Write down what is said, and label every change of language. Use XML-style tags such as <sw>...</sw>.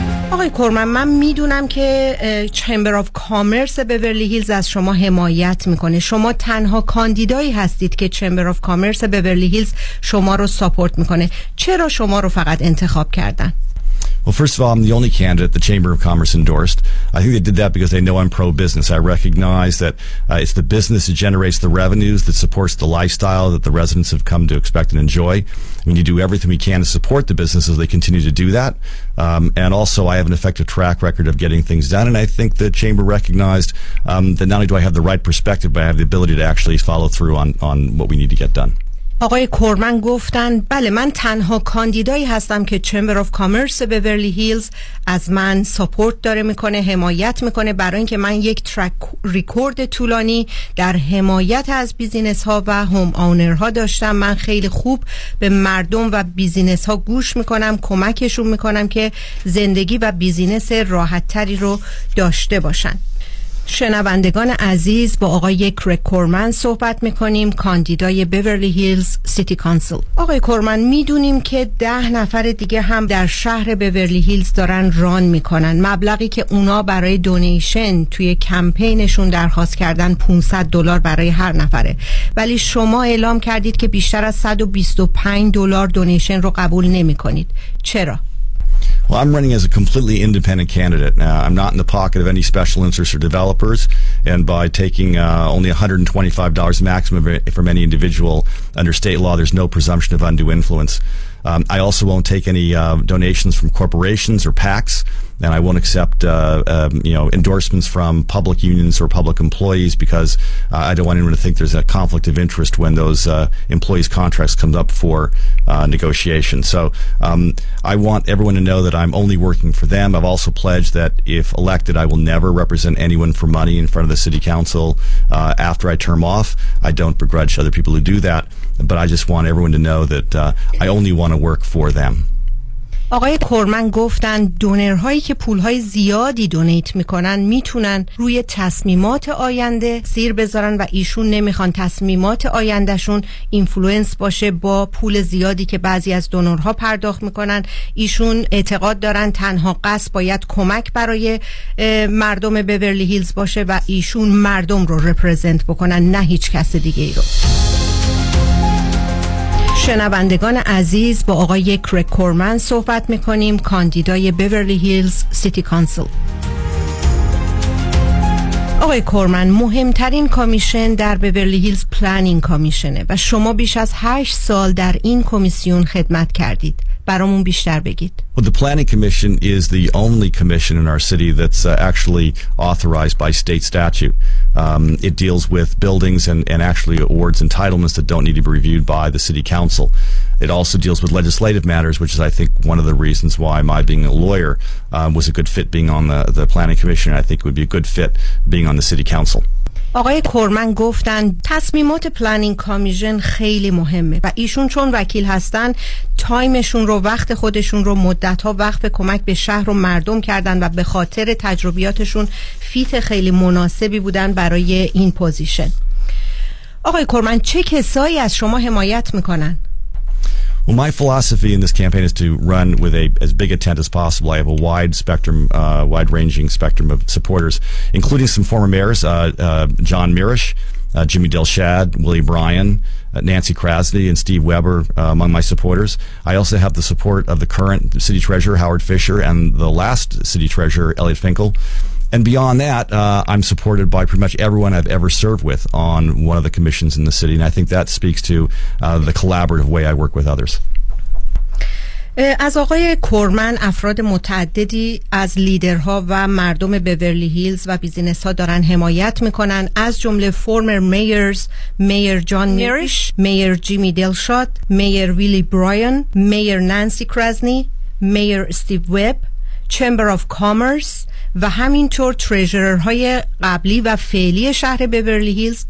<fa>آقای کورمن، من میدونم که چمبر آف کامرس بیورلی هیلز از شما حمایت میکنه. شما تنها کاندیدایی هستید که چمبر آف کامرس بیورلی هیلز شما رو ساپورت میکنه. چرا شما رو فقط انتخاب کردن؟</fa> <en>Well, first of all, I'm the only candidate the Chamber of Commerce endorsed. I think they did that because they know I'm pro-business. I recognize that it's the business that generates the revenues that supports the lifestyle that the residents have come to expect and enjoy. We need to do everything we can to support the businesses as they continue to do that. And also, I have an effective track record of getting things done. And I think the Chamber recognized that not only do I have the right perspective, but I have the ability to actually follow through on what we need to get done.</en> <fa>آقای کورمن گفتن بله، من تنها کاندیدایی هستم که چمبر آف کامرس بیورلی هیلز از من سپورت داره میکنه، حمایت میکنه، برای اینکه من یک ترک ریکورد طولانی در حمایت از بیزینس ها و هوم آونر ها داشتم. من خیلی خوب به مردم و بیزینس ها گوش میکنم، کمکشون میکنم که زندگی و بیزینس راحت تری رو داشته باشن. شنوندگان عزیز، با آقای کرک کورمن صحبت میکنیم، کاندیدای بیورلی هیلز سیتی کانسل. آقای کورمن، میدونیم که 10 نفر دیگه هم در شهر بیورلی هیلز دارن ران میکنن. مبلغی که اونا برای دونیشن توی کمپینشون درخواست کردن $500 برای هر نفره، ولی شما اعلام کردید که بیشتر از $125 دونیشن رو قبول نمیکنید. چرا؟</fa> <en>Well, I'm running as a completely independent candidate. I'm not in the pocket of any special interests or developers, and by taking only $125 maximum from any individual, under state law, there's no presumption of undue influence. I also won't take any donations from corporations or PACs, and I won't accept endorsements from public unions or public employees, because I don't want anyone to think there's a conflict of interest when those employees' contracts come up for negotiation. So I want everyone to know that I'm only working for them. I've also pledged that if elected, I will never represent anyone for money in front of the city council after I term off. I don't begrudge other people who do that, but I just want everyone to know that I only want to work for them.</en> <fa>آقای کورمن گفتن دونرهایی که پولهای زیادی دونیت میکنن میتونن روی تصمیمات آینده سیر بذارن و ایشون نمیخوان تصمیمات آیندهشون اینفلوئنس باشه با پول زیادی که بعضی از دونرها پرداخت میکنن. ایشون اعتقاد دارن تنها قصد باید کمک برای مردم بیورلی هیلز باشه و ایشون مردم رو رپرزنت بکنن، نه هیچ کس دیگه ای رو. شنوندگان عزیز، با آقای کرک کورمن صحبت میکنیم، کاندیدای بیورلی هیلز سیتی کانسل. آقای کورمن، مهمترین کمیشن در بیورلی هیلز پلانینگ کمیشنه و شما بیش از 8 سال در این کمیسیون خدمت کردید. برامون بیشتر بگید.</fa> <en>Well, the planning commission is the only commission in our city that's actually authorized by state statute. It deals with buildings and actually awards entitlements that don't need to be reviewed by the city council. It also deals with legislative matters, which is, I think, one of the reasons why my being a lawyer was a good fit being on the planning commission. I think it would be a good fit being on the city council.</en> <fa>آقای کورمن گفتن تصمیمات پلانینگ کامیژن خیلی مهمه و ایشون چون وکیل هستن تایمشون رو، وقت خودشون رو، مدت‌ها وقف کمک به شهر و مردم کردن و به خاطر تجربیاتشون فیت خیلی مناسبی بودن برای این پوزیشن. آقای کورمن، چه کسایی از شما حمایت میکنن؟</fa> <en>Well, my philosophy in this campaign is to run with as big a tent as possible. I have a wide spectrum, wide-ranging spectrum of supporters, including some former mayors, John Mirisch, Jimmy Dilshad, Willie Bryan, Nancy Krasny, and Steve Weber, among my supporters. I also have the support of the current city treasurer, Howard Fisher, and the last city treasurer, Elliot Finkel. And beyond that, I'm supported by pretty much everyone I've ever served with on one of the commissions in the city. And I think that speaks to the collaborative way I work with others.</en> <fa>از آقای کورمن افراد متعددی از لیدرها و مردم بیورلی هیلز و بیزینس ها دارن حمایت میکنن، از جمله فورمر میرز، میر جان میرش، میر جیمی دلشات، میر ویلی براین، میر نانسی کرزنی، میر استیو ویب، چمبر آف کامرس و همینطور تریژرر های قبلی و فعلی شهر بیورلی هیلز.</fa>